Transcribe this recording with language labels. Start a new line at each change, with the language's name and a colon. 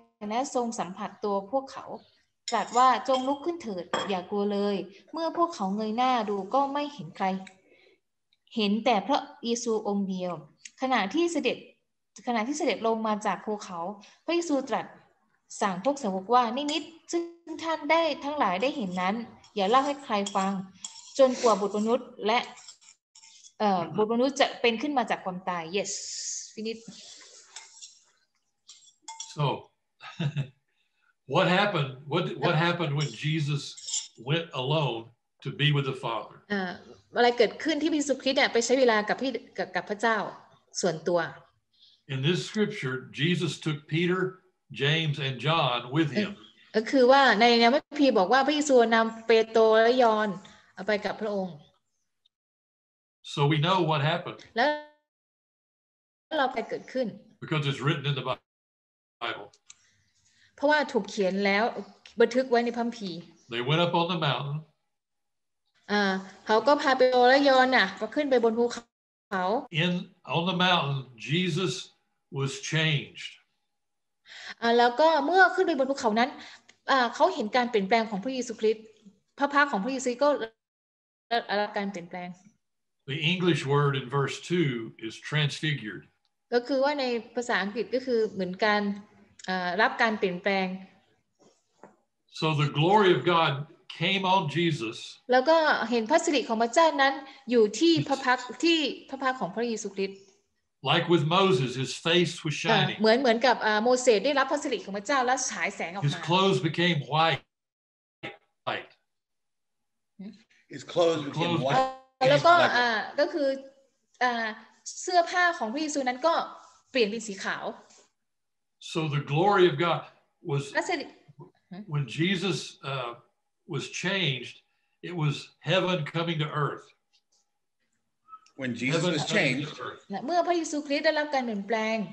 Thai: และทรงสัมผัสตัวพวกเขาตรัสว่าจงลุกขึ้นเถิดอย่ากลัวเลยเมื่อพวกเขาเงยหน้าดูก็ไม่เห็นใครเห็นแต่พระเยซูองค์เดียวขณะที่เสด็จลงมาจากภูเขาพระเยซูตรัสสั่งพวกสาวกว่านิมิตซึ่งท่านได้ทั้งหลายได้เห็นนั้นอย่าเล่าให้ใครฟังจนกว่าบุตรมนุษย์และบุตรมนุษย์จะเป็นขึ้นมาจากความตาย
English: yes finished so what happened when Jesus went aloneTo be with the Father.
Thai: อะไรเกิดขึ้นที่พระเยซูคริสต์เนี่ยไปใช้เวลากับพระเจ้าส่วนตัว
English: In this scripture, Jesus took Peter, James, and John with him.
Thai: ก็คือว่าในพระคัมภีร์บอกว่าพระเยซูนำเปโตรและยอห์น ไปกับพระองค์
English: So we know what happened
Thai: แล้วเราไปเกิดขึ้น
English: Because it's written in the Bible
Thai: เพราะว่าถูกเขียนแล้วบันทึกไว้ในพระคัมภีร์
English: They went up on the mountain
Thai: เขาก็พาเปโตรและยอห์นน่ะก็ขึ้นไปบนภูเขา
English: In on the mountain Jesus was changed
Thai: แล้วก็เมื่อขึ้นไปบนภูเขานั้นเขาเห็นการเปลี่ยนแปลงของพระเยซูคริสต์พระพักของพระเยซูก็ได้รับการเปลี่ยนแปลง
English: The English word in verse 2 is transfigured
Thai: ก็คือว่าในภาษาอังกฤษก็คือเหมือนการรับการเปลี่ยนแปลง
English: So the glory of God came on Jesus
Thai: แล้วก็เห็นพระสิริของพระเจ้านั้นอยู่ที่พระพักที่พระพักของพระเยซูคริสต์
English: Like with Moses, his face was shining.
Thai: เหมือนกับโมเสสได้รับพระสิริของพระเจ้าแล้วฉายแสงออกมา
English: His clothes became white. His clothes became white.
Thai: แล้วก็ก็คือเสื้อผ้าของพระเยซูนั้นก็เปลี่ยนเป็นสีขาว
English: So the glory of God was when Jesus was changed, it was heaven coming to earth. When Jesus was changed,
Thai: เมื่อพระเยซูคริสต์ได้รับการเปลี่ยนแปลง